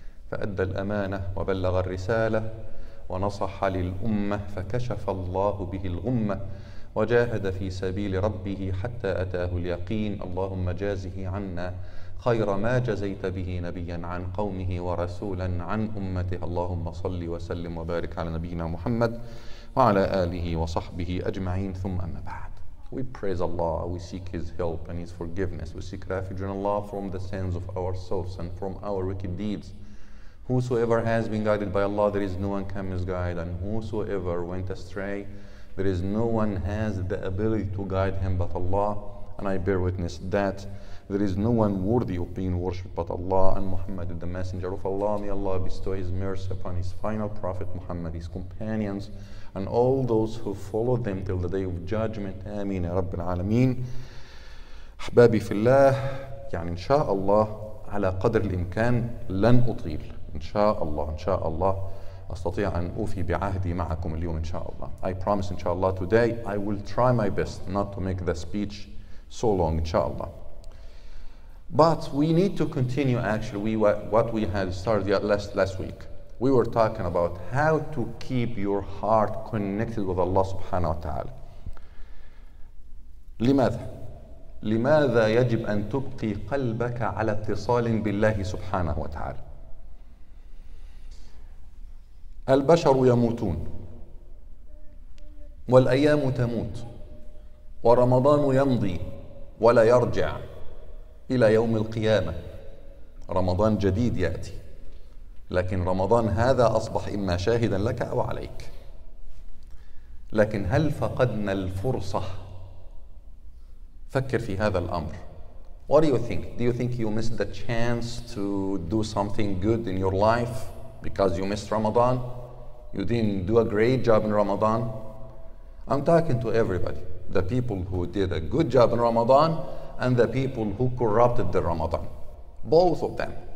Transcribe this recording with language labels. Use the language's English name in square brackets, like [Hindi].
[Arabic] فأدى الأمانة وبلغ الرسالة ونصح للأمة فكشف الله به الغمة وجاهد في سبيل ربه حتى أتاه اليقين اللهم جازه عنا خير ما جزيت به نبيا عن قومه ورسولا عن أمته اللهم صل وسلم وبارك على نبينا محمد وعلى آله وصحبه أجمعين ثم أما بعد. [English] We praise Allah, we seek His help and His forgiveness. We seek refuge in Allah from the sins of ourselves and from our wicked deeds. Whosoever has been guided by Allah, there is no one can misguide. And whosoever went astray, there is no one has the ability to guide him but Allah. And I bear witness that there is no one worthy of being worshipped but Allah and Muhammad, the Messenger of Allah. May Allah bestow His mercy upon His final Prophet Muhammad, His companions, and all those who follow them till the Day of Judgment. [Arabic] Ameen, Ya Rabbil Alameen. Ahbabi fi Allah, يعني إن شاء الله على قدر الإمكان لن أطيل. إن شاء الله إن شاء الله أستطيع أن أوفي بعهدي معكم اليوم إن شاء الله. [English] I promise [Arabic] إن شاء الله [English] today I will try my best not to make the speech so long إن شاء الله. But we need to continue actually what we had started last week. We were talking about how to keep your heart connected with Allah subhanahu wa ta'ala. [Arabic] لماذا؟ لماذا يجب أن تبقي قلبك على اتصال بالله سبحانه وتعالى؟ البشر يموتون والأيام تموت ورمضان يمضي ولا يرجع إلى يوم القيامة. رمضان جديد يأتي، لكن رمضان هذا أصبح إما شاهدا لك أو عليك. لكن هل فقدنا الفرصة؟ فكر في هذا الأمر. [English] What do you think? Do you think you missed the chance to do something good in your life because you missed Ramadan? You didn't do a great job in Ramadan? I'm talking to everybody. The people who did a good job in Ramadan and the people who corrupted the Ramadan. Both of them.